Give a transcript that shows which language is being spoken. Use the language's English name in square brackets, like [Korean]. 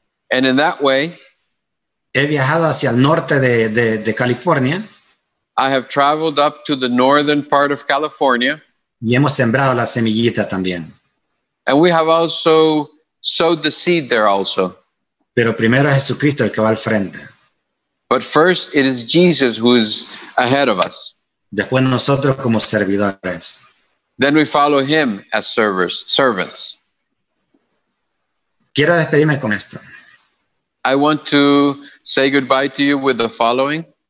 [English] And in that way. [Spanish] He viajado hacia el norte de California. [English] I have traveled up to the northern part of California. [Spanish] Y hemos sembrado la semillita también. [English] And we have also sowed the seed there also. [Spanish] Pero primero es Jesucristo el que va al frente. [English] But first it is Jesus who is ahead of us. [Spanish] Después nosotros como servidores. [English] Then we follow him as servants. [Spanish] Quiero despedirme con esto. [English] I want to say goodbye to you with the following.